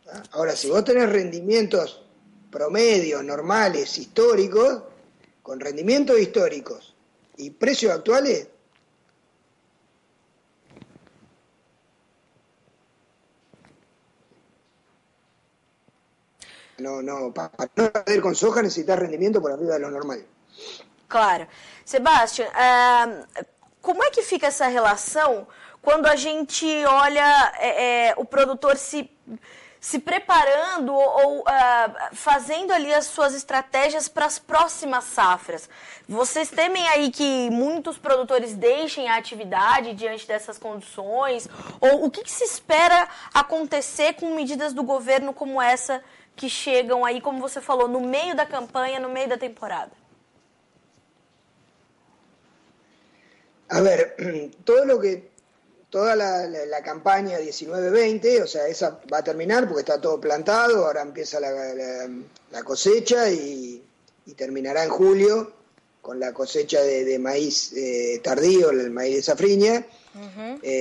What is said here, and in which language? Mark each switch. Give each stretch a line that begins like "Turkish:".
Spanish: Ahora, si vos tenés rendimientos promedios, normales, históricos, con rendimientos históricos y precios actuales, no, para no perder con soja necesitas rendimiento por arriba de lo normal. Claro.
Portuguese: Sebastião, como é que fica essa relação quando a gente olha o produtor se preparando ou fazendo ali as suas estratégias para as próximas safras? Vocês temem aí que muitos produtores deixem a atividade diante dessas condições? Ou o que se espera acontecer com medidas do governo como essa que chegam aí, como você falou, no meio da campanha, no meio da temporada?
Spanish: A ver, toda la campaña 19-20, o sea, esa va a terminar porque está todo plantado, ahora empieza la cosecha y terminará en julio con la cosecha de maíz tardío, el maíz de safriña, uh-huh.